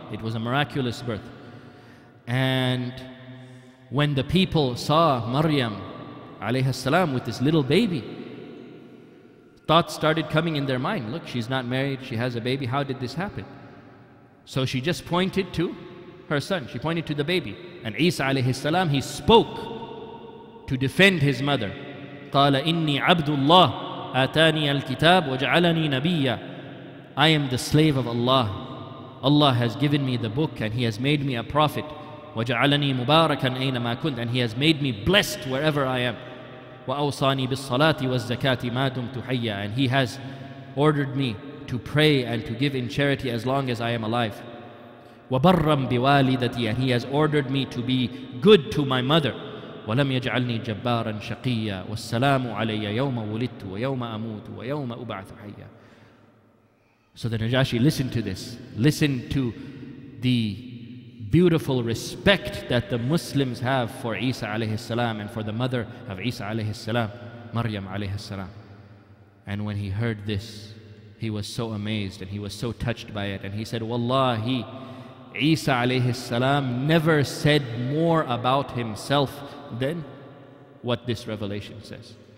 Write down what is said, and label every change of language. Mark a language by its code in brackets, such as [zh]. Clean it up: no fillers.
[en] It was a miraculous birth. And when the people saw Maryam alayhi salam with this little baby, thoughts started coming in their mind. Look, she's not married, she has a baby, how did this happen? So she just pointed to her son, she pointed to the baby, and Isa alayhi salam, he spoke to defend his mother. [ar] قال إني عبد الله آتاني الكتاب وجعلني نبيا. [en] I am the slave of Allah. Allah has given me the book and He has made me a prophet. [ar] وجعلني مباركا أينما كنت, [en] and He has made me blessed wherever I am. [ar] وأوصاني بالصلاة والزكاة ما دمت حيا, [en] and He has ordered me to pray and to give in charity as long as I am alive. [ar] وَبَرَّمْ بِوَالِدَتِي, [en] and He has ordered me to be good to my mother. [ar] وَلَمْ يَجْعَلْنِي جَبَّارًا شَقِيًّا وَالسَّلَامُ عَلَيَّ يَوْمَ وُلِدْتُ وَيَوْمَ أَمُوتُ وَيَوْمَ أُبْعَثُ حَيًّا. [en] So the Najashi listened to this, listened to the beautiful respect that the Muslims have for Isa alayhi salam and for the mother of Isa alayhi salam, Maryam alayhi salam. And when he heard this, he was so amazed and he was so touched by it. And he said, Wallahi, Isa alayhi salam never said more about himself than what this revelation says.